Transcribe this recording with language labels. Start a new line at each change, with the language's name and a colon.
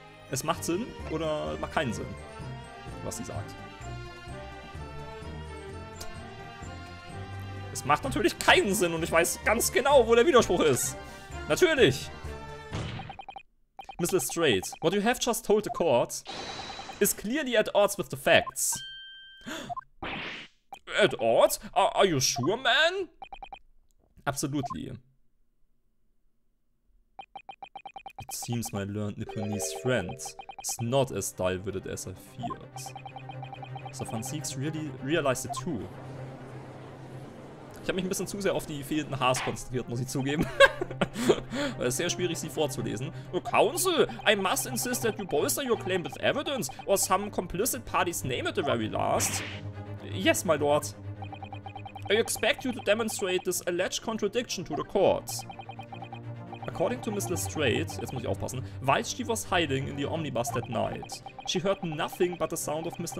German: Es macht Sinn oder macht keinen Sinn, was sie sagt. Es macht natürlich keinen Sinn und ich weiß ganz genau, wo der Widerspruch ist. Natürlich!
English: Miss Lestrade, what you have just told the court is clearly at odds with the facts. At odds? Are you sure, man? Absolutely. seems my learned Nipponese friend is not as dull-witted as I feared. So Van Sieg's really realized it too.
German: Ich habe mich ein bisschen zu sehr auf die fehlenden Haars konzentriert, muss ich zugeben. Es ist sehr schwierig, sie vorzulesen.
English: Council, I must insist that you bolster your claim with evidence or some complicit party's name at the very least. Yes, my lord. I expect you to demonstrate this alleged contradiction to the court. According to Miss Lestrade,
German: jetzt muss ich aufpassen,
English: while she was hiding in the omnibus that night, she heard nothing but the sound of Mr.